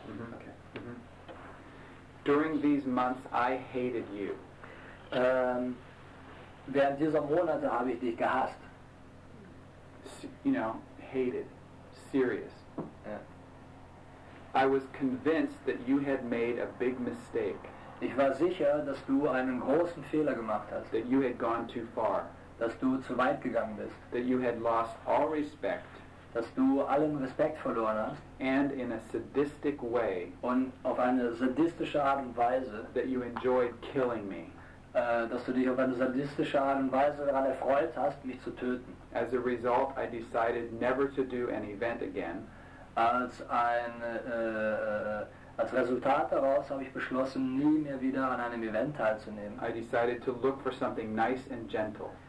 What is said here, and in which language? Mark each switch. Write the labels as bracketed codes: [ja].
[en] Mm-hmm. Okay. Mm-hmm. During these months, I hated you. [de] Während dieser Monate habe ich dich gehasst. [en] You know, hated. Serious. Yeah. I was convinced that you had made a big mistake. [de] Ich war sicher, dass du einen großen Fehler gemacht hast. [en] That you had gone too far. [de] Dass du zu weit gegangen bist. [en] That you had lost all respect. [de] Dass du allen Respekt verloren hast. [en] And in a sadistic way. [de] Und auf eine sadistische Art und Weise. [en] That you enjoyed killing me. [de] Dass du dich auf eine sadistische Art und Weise daran erfreut hast, mich zu töten. [en] As a result, I decided never to do an event again. [de] Als Resultat daraus habe ich beschlossen, nie mehr wieder an einem Event teilzunehmen. [en] I decided to look for something nice and gentle.